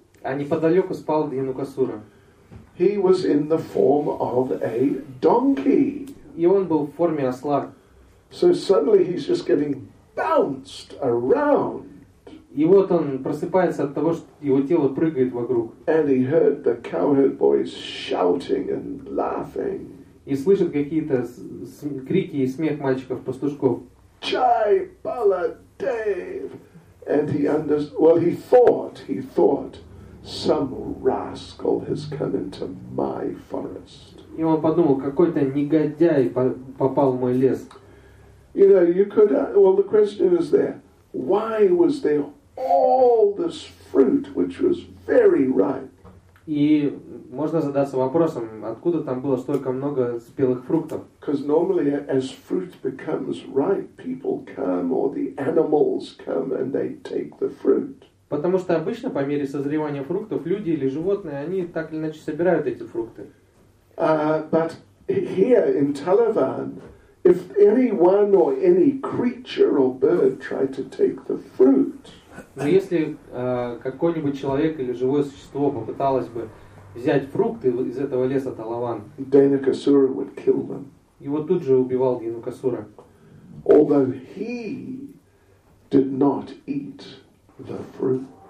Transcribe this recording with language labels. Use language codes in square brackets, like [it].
[ru] А неподалеку спал Деинукасура. [en] He was in the form of a donkey. [ru] И он был в форме осла. [en] So suddenly he's just getting bounced around. [ru] И вот он просыпается от того, что его тело прыгает вокруг. [en] And he heard the cowherd boys shouting and laughing. [ru] И слышит какие-то крики и смех мальчиков-пастушков. [en] Jai Baladev! And he understood, well, he thought some rascal has come into my forest. [ru] И он подумал, какой-то негодяй попал в мой лес. [en] You know, you could, well, the question is there, why was there all this fruit, which was very ripe. [ru] И можно задаться вопросом, откуда там было столько много спелых фруктов? [en] Because normally, as fruit becomes ripe, people come, or the animals come, and they take the fruit. [ru] Потому что обычно по мере созревания фруктов люди или животные, они так или иначе собирают эти фрукты. [en] But here in Talavan, if anyone or any creature or bird tried to take the fruit. [ru] Но если какой-нибудь человек или живое существо попыталось бы взять фрукты из этого леса Талаван, [en] Деинукасура would kill them. [ru] Его тут же убивал Деинукасура. [en] Although he did not eat the fruit.